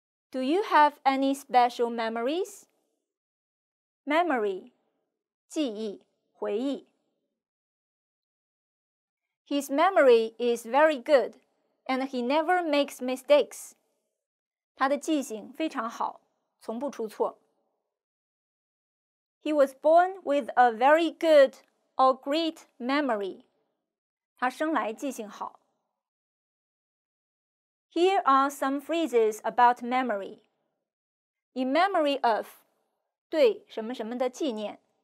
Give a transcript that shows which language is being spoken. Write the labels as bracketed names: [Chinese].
[English] Do you have any special memories? Memory, [Chinese] 记忆,回忆. [English] His memory is very good, and he never makes mistakes. [Chinese] 他的记性非常好,从不出错。 [English] He was born with a very good or great memory. [Chinese] 他生来记性好。 [English] Here are some phrases about memory. In memory of, [Chinese] 对什么什么的纪念。